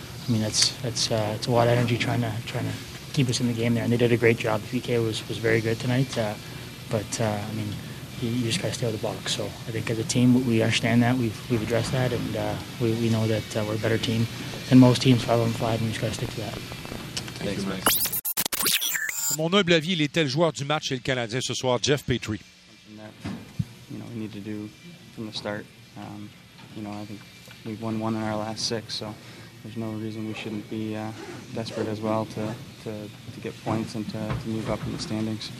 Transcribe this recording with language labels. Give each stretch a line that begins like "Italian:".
English: I mean, that's a lot of energy trying to keep us in the game there, and they did a great job. PK was very good tonight, but I mean, you just got to stay with the box. So I think as a team, we understand that. We've addressed that, and we know that we're a better team than most teams, 5-on-5, and we just got to stick to that. Thanks, Max.
French: Mon humble avis, il était le joueur du match chez le Canadien ce soir, Jeff Petrie.
English: Something that, you know, we need to do from the start. You know, I think we've won one in our last six, so there's no reason we shouldn't be desperate as well to get points and to move up in the standings.